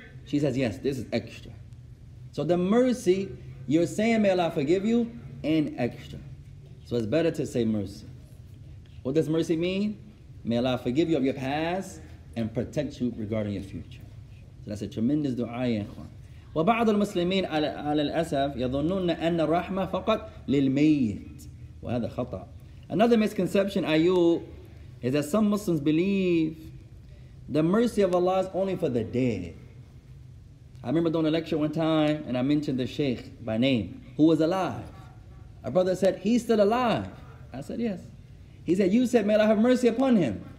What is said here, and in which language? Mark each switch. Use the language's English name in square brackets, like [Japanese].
[English] She says, yes, this is extra. So the mercy, you're saying may Allah forgive you, and extra. So it's better to say mercy. What does mercy mean? May Allah forgive you of your past and protect you regarding your future. So that's a tremendous dua, ya ikhwan. [Arabic] وبعض المسلمين على الأسف يظنون أن الرحمة فقط للميت. وهذا خطأ. [English] Another misconception I use is that some Muslims believe the mercy of Allah is only for the dead. I remember doing a lecture one time and I mentioned the Shaykh by name who was alive. A brother said, he's still alive. I said, yes. He said, you said, may Allah have mercy upon him.